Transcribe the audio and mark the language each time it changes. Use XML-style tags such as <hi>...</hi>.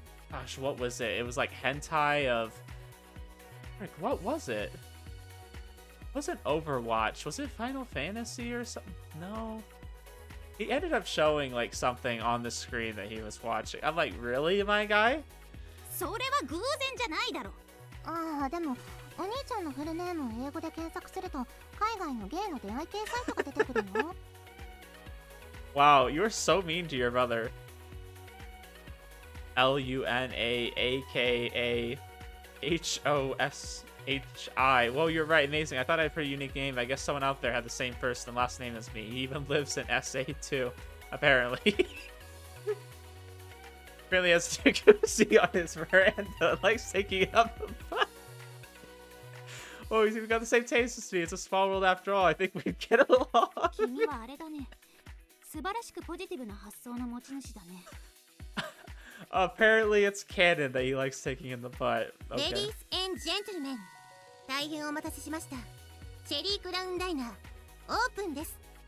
<en>Gosh, what was it? It was, like, hentai of... Like, what was it? It wasn't Overwatch. Was it Final Fantasy or something? No. He ended up showing, like, something on the screen that he was watching. I'm like, really, my guy?</en> <ja>それは偶然じゃないだろ。ああ、でも…お兄ちゃんのフルネームを英語で検索すると海外のゲイの出会い系サイトが出てくるの。</ja> <en>Wow, you are so mean to your mother. Lunaakahoshi. Well, you're right, amazing. I thought I had a pretty unique name. I guess someone out there had the same first and last name as me. He even lives in SA too, apparently. Really has a jacuzzi on his veranda and likes taking up the butt. Oh, he's even got the same taste as me. It's a small world after all. I think we'd get along.</en> <ja>君はあれだね。素晴らしくポジティブな発想の持ち主だね。</ja> <en>Apparently it's canon that he likes taking in the butt.、Okay. Ladies and gentlemen,</en> <ja>大変お待たせしました。チェリークラウンダイナー、オープンです。</ja>